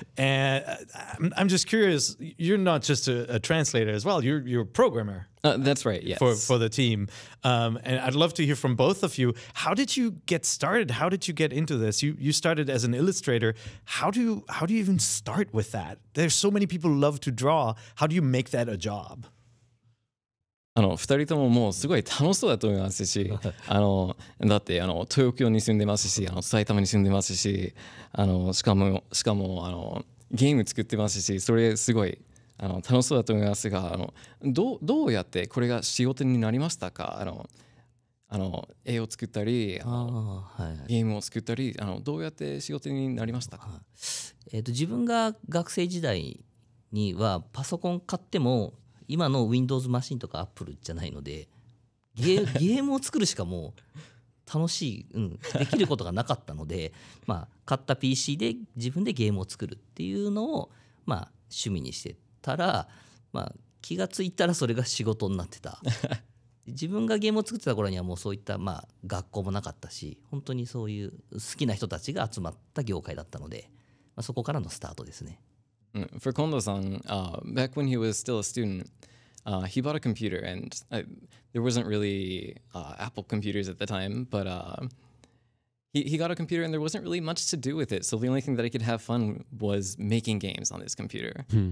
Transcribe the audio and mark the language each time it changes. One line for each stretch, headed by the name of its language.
English: And I'm just curious. You're not just a translator as well. You're a programmer. That's right. Yes. For the team. And I'd love to hear from both of you. How did you get started? How did you get into this? You started as an illustrator. How do you even start with that? There's so many people who love to draw. How do you make that a job?
Japanese: 2人とももうすごい楽しそうだと思いますし、だって東京に住んでますし、埼玉に住んでますし、しかもゲーム作ってますし、それすごい楽しそうだと思いますが、どうやってこれが仕事になりましたか？絵を作ったり、はい、ゲームを作ったり、どうやって仕事になりましたか？自分が学生時代にはパソコン買っても今の Windows マシンとか Apple じゃないので ゲームを作るしかもう楽しい、うん、できることがなかったので、まあ、買った PC で自分でゲームを作るっていうのを、まあ、趣味にしてたら、まあ、気がついたらそれが仕事になってた。自分がゲームを作ってた頃にはもうそういった、まあ、学校もなかったし本当にそういう好きな人たちが集まった業界だったので、まあ、そこからのスタートですね。
English: For Kondo-san, back when he was still a student, he bought a computer, and there wasn't really Apple computers at the time, but he got a computer, and there wasn't really much to do with it, so the only thing that he could have fun was making games on his computer.